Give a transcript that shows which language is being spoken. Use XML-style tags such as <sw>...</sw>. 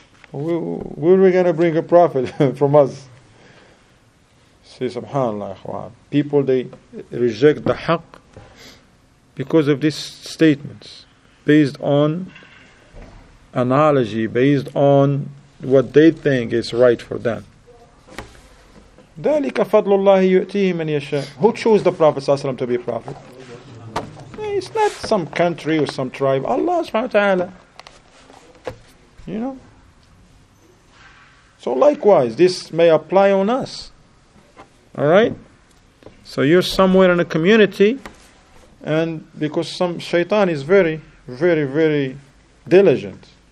<en>Where are we going to bring a prophet from us? See, subhanAllah, people, they reject the haqq because of these statements, based on analogy, based on what they think is right for them.</en> <ar>ذلك فضل الله يؤتيه من يشاء.</ar> <en>Who chose the Prophet ﷺ to be a prophet? It's not some country or some tribe. Allah subhanahu wa ta'ala. You know? So likewise, this may apply on us. Alright? So you're somewhere in a community, and because some shaitan is very, very, very diligent.</en>